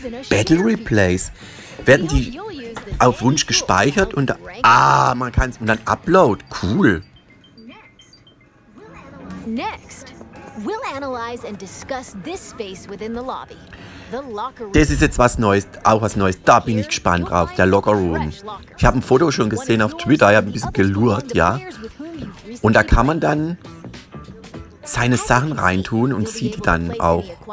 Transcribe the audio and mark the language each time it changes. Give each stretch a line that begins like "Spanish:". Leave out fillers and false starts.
German: Battle Replays. Werden die auf Wunsch gespeichert und... Ah, man kann es... Und dann Upload. Cool.
English: Next, we'll analyze and discuss this space within the lobby. The locker room.
German: Das ist jetzt was Neues, auch was Neues. Da bin ich gespannt drauf, der Locker Room. Ich habe ein Foto schon gesehen auf Twitter, ich habe ein bisschen gelurrt, ja. Und da kann man dann seine Sachen reintun und sieht die dann auch.